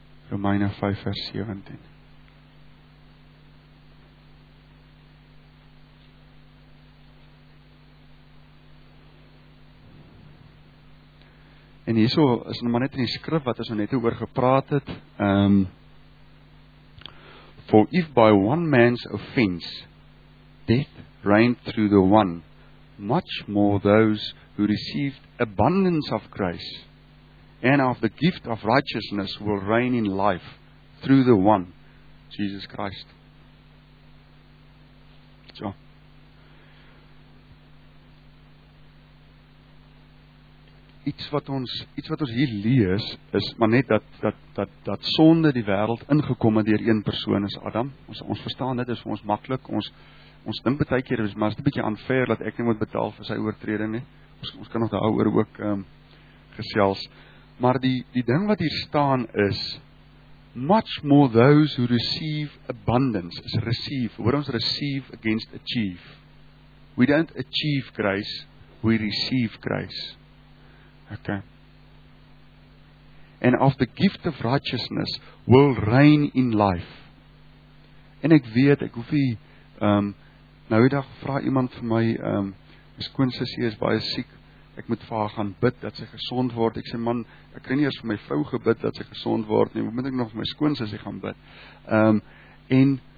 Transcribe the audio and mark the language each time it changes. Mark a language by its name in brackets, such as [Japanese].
[Afrikaans] Romeine 5 vers 17. En hierso is nou maar net in die skrif wat ons net oor gepraat het. [English] For if by one man's offense death reigned through the one, much more those who received abundance of grace and of the gift of righteousness will reign in life through the one, Jesus Christ. [Afrikaans] So. Iets wat ons hier lees is maar net dat sonde die wêreld ingekom het deur een persoon, is Adam. Ons verstaan dit, is vir ons maklik. Ons dink baie keer, maar dit is 'n bietjie unfair dat ek nie moet betaal vir sy oortreding nie. Ons kan nog daaroor ook gesels. Maar die ding wat hier staan is [English] much more those who receive abundance is receive. [Afrikaans] Hoor ons [English] receive against achieve. We don't achieve grace, we receive grace. Okay. And of the gift of righteousness will reign in life. [Afrikaans] En ek weet, ek hoef nie nou die dag vra iemand vir my, my skoonsussie is baie siek. Ek moet vir haar gaan bid dat sy gesond word. Ek sê man, ek kry nie eers vir my vrou gebid dat sy gesond word nie. Moet ek nog vir my skoonsussie gaan bid? En